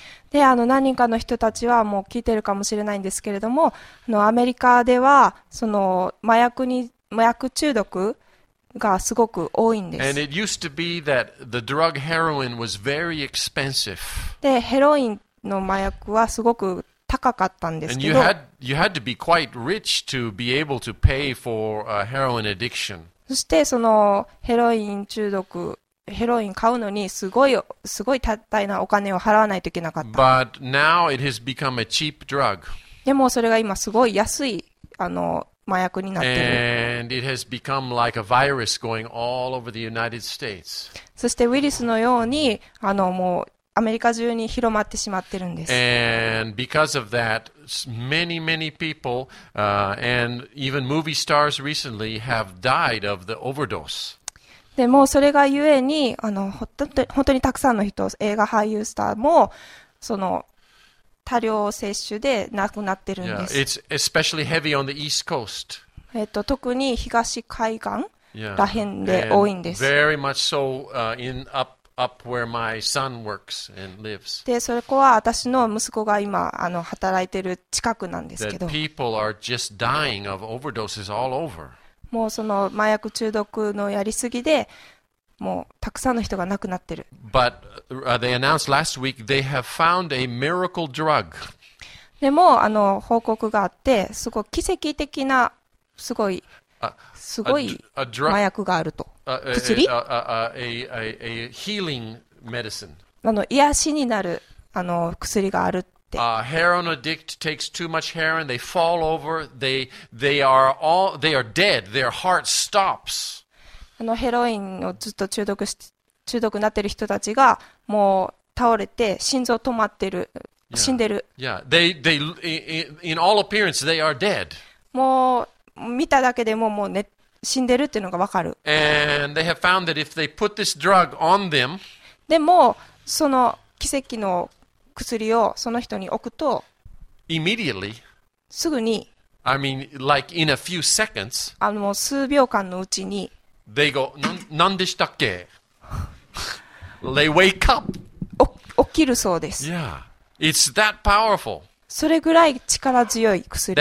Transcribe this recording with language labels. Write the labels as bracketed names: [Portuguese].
[Japanese] で何人かの人たちはもう聞いてるかもしれないんですけれども、アメリカではその麻薬中毒がすごく多いんです。 [English] And it used to be that the drug heroin was very expensive. [Japanese] で、ヘロインの麻薬はすごく高かったんですけど。 [English] And you had to be quite rich to be able to pay for a heroin addiction. [Japanese] そしてそのヘロイン中毒ヘロイン買うのにすごい大なお金を払わないといけなかった。 [English] But now it has become a cheap drug. [Japanese] でもそれが今すごい安い麻薬になってる。 [English] And it has become like a virus going all over the United States. [Japanese] そしてウイルスのようにもうアメリカ中に広まってしまってるんです。 [English] And because of that, many many people, and even movie stars recently have died of the overdose. [Japanese] でもそれがゆえに本当にたくさんの人、映画俳優スターもその多量摂取で亡くなってるんです。 [English] Yeah, it's especially heavy on the East Coast. [Japanese] 特に東海岸ら辺で多いんです。 [English] Yeah, very much so in up where my son works and lives. [Japanese] でそれこは私の息子が今働いてる近くなんですけど。 [English] That people are just dying of overdoses all over. [Japanese] もうその麻薬中毒のやりすぎでもうたくさんの人が亡くなってる。 [English] But, they announced last week they have found a miracle drug. [Japanese] でも報告があってすごい奇跡的なすごい麻薬があると。 [English] a healing medicine. [Japanese] 癒しになる薬がある [English] Heroin addict takes too much heroin. They fall over. They are dead. Their heart stops. [Japanese] ヘロインをずっと中毒になってる人たちがもう倒れて心臓止まってる、 [English] yeah. [Japanese] 死んでる。 [English] They in all appearance they are dead. [Japanese] もう見ただけでももう、ね、死んでるっていうのがわかる。 [English] And they have found that if they put this drug on them, [Japanese] でもその奇跡の薬をその人に置くと、 [English] immediately [Japanese] すぐに、 [English] I mean, like in a few seconds, [Japanese] あの数秒間のうちに [English] they go, [Japanese] なんでしたっけ [English] they wake up. [Japanese] 起きるそうです。 [English] Yeah, it's that powerful. [Japanese] それぐらい力強い薬。